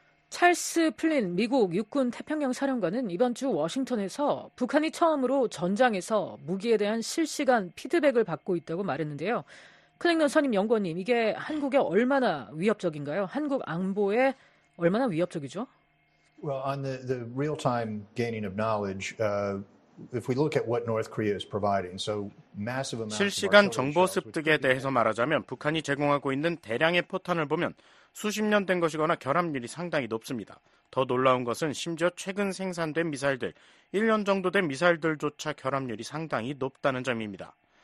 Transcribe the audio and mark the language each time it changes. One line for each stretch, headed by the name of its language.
Korean: 찰스 플린 미국 육군 태평양 사령관은 이번 주 워싱턴에서 북한이 처음으로 전장에서 무기에 대한 실시간 피드백을 받고 있다고 말했는데요. 클랭런 선임 연구원님, 이게 한국에 얼마나 위협적인가요? 한국 안보에 얼마나 위협적이죠?
English: Well, on the real-time gaining of knowledge, if we look at what North Korea is providing, so
Korean: 실시간 정보 습득에 대해서 말하자면 북한이 제공하고 있는 대량의 포탄을 보면 수십 년 된 것이거나 결함률이 상당히 높습니다. 더 놀라운 것은 심지어 최근 생산된 미사일들, 1년 정도 된 미사일들조차 결함률이 상당히 높다는 점입니다.